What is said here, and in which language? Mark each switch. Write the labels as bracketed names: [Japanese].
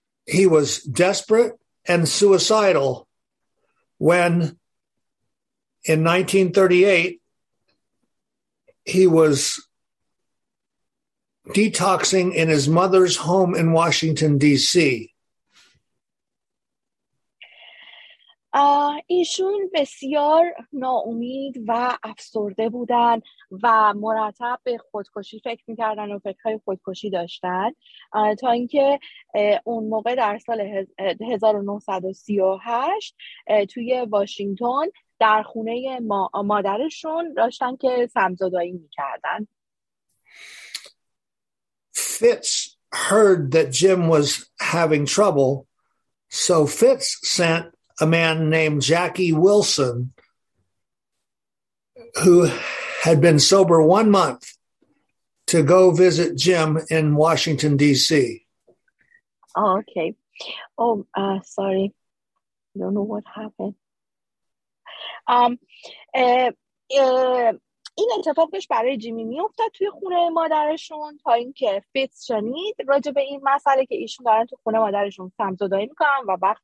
[English] He was desperate and suicidal when in 1938 he was detoxing in his mother's home in Washington D.C. [Persian] ایشون بسیار ناامید و افسرده بودن و مرتب به خودکشی فکر میکردن و فکرهای خودکشی داشتن تا اینکه اون موقع در سال 1938 توی واشنگتن در خونه مادرشون داشتن که سمزدائی میکردن. [English] Fitz heard that Jim was having trouble, so Fitz sent a man named Jackie Wilson, who had been sober 1 month, to go visit Jim in Washington, D.C. Oh, okay. Sorry. I don't know what happened. [Persian] این اتفاقش برای جیمی میافتاد توی خونه مادرشون تا اینکه فیتز شنید راجع به این مسئله که ایشون دارن تو خونه مادرشون سمزدائی میکنن و